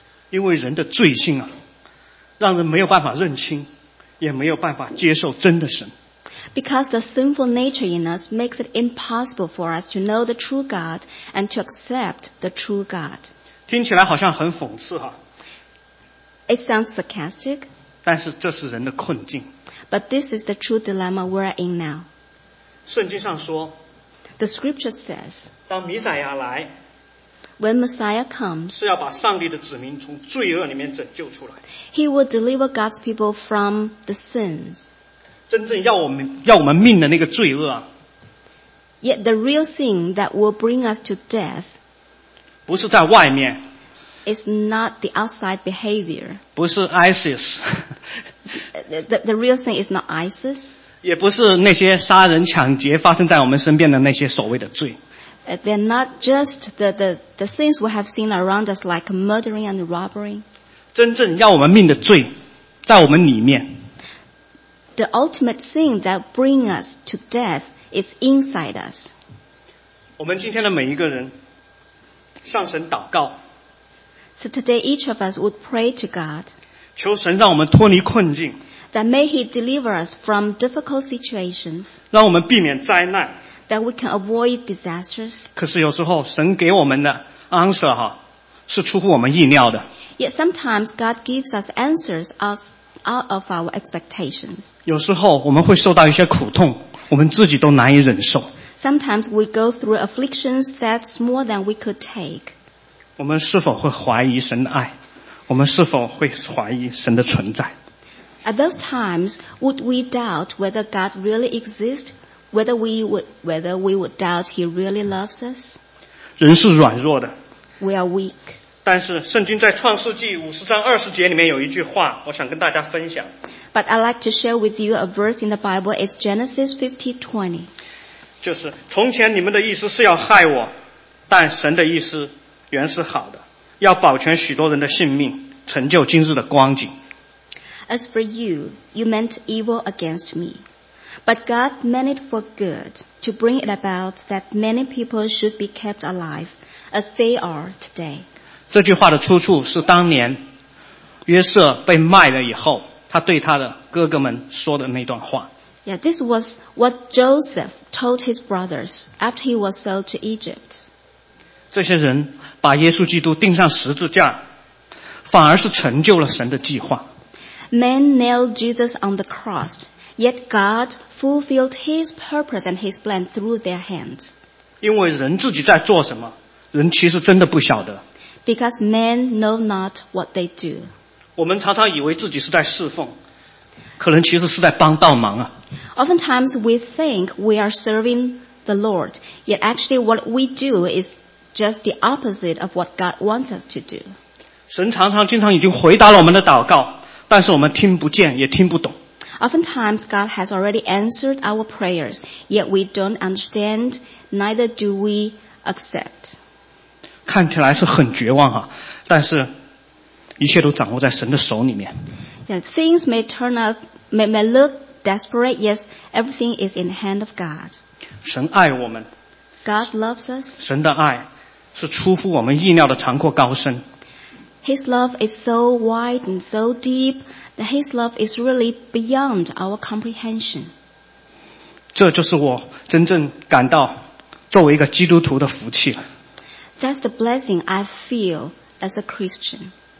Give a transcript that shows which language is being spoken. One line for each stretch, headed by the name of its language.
Chinese: 因为人的罪性啊，让人没有办法认清，也没有办法接受真的神。
English: Because the sinful nature in us makes it impossible for us to know the true God and to accept the true God.
Chinese: 听起来好像很讽刺啊。
English: It sounds sarcastic.
Chinese: 但是这是人的困境。
English: But this is the true dilemma we're in now.
Chinese: 圣经上说。
English: The scripture says.
Chinese: 当弥赛亚来。
English: When Messiah comes,
Chinese: 是要把上帝的子民从罪恶里面拯救出来。
English: He will deliver God's people from the sins.
Chinese: 真正要我们命的那个罪恶啊。
English: Yet the real sin that will bring us to death,
Chinese: 不是在外面。
English: It's not the outside behavior.
Chinese: 不是 ISIS.
English: the real sin is not ISIS.
Chinese: 也不是那些杀人抢劫发生在我们身边的那些所谓的罪。
English: They're not just the sins we have seen around us like murdering and robbery.
Chinese: 真正要我们命的罪在我们里面。
English: The ultimate sin that brings us to death is inside us.
Chinese: 我们今天的每一个人向神祷告。
English: So today each of us would pray to God.
Chinese: 求神让我们脱离困境。
English: That may he deliver us from difficult situations.
Chinese: 让我们避免灾难。
English: That we can avoid disasters.
Chinese: 可是有时候神给我们的 answer 哈，是出乎我们意料的。
English: Yet sometimes God gives us answers out of our expectations.
Chinese: 有时候我们会受到一些苦痛，我们自己都难以忍受。
English: Sometimes we go through afflictions that's more than we could take.
Chinese: 我们是否会怀疑神的爱？我们是否会怀疑神的存在？
English: At those times, would we doubt whether God really exists? Whether we would doubt he really loves us?
Chinese: 人是软弱的。
English: We are weak.
Chinese: 但是圣经在创世纪五十章二十节里面有一句话我想跟大家分享。
English: But I'd like to share with you a verse in the Bible. It's Genesis 50:20.
Chinese: 就是从前你们的意思是要害我但神的意思原是好的要保全许多人的性命成就今日的光景。
English: As for you, you meant evil against me. But God meant it for good to bring it about that many people should be kept alive as they are today.
Chinese: 这句话的出处是当年约瑟被卖了以后他对他的哥哥们说的那段话。
English: Yeah, this was what Joseph told his brothers after he was sold to Egypt.
Chinese: 这些人把耶稣基督钉上十字架反而是成就了神的计划。
English: Men nailed Jesus on the cross. Yet God fulfilled His purpose and His plan through their hands.
Chinese: 因为人自己在做什么，人其实真的不晓得。
English: Because men know not what they do.
Chinese: 我们常常以为自己是在侍奉，可能其实是在帮倒忙啊。
English: Oftentimes we think we are serving the Lord, yet actually what we do is just the opposite of what God wants us to do.
Chinese: 神常常经常已经回答了我们的祷告，但是我们听不见，也听不懂。
English: Oftentimes God has already answered our prayers, yet we don't understand, neither do we accept.
Chinese: 看起来是很绝望啊，但是一切都掌握在神的手里面。
English: Yeah, things may turn out, may look desperate, yes, everything is in the hand of God.
Chinese: 神爱我们。
English: God loves us.
Chinese: 神的爱是出乎我们意料的长阔高深。
English: His love is so wide and so deep that His love is really beyond our comprehension.
Chinese: 这就是我真正感到作为一个基督徒的福气。
English: That's the blessing I feel as a Christian.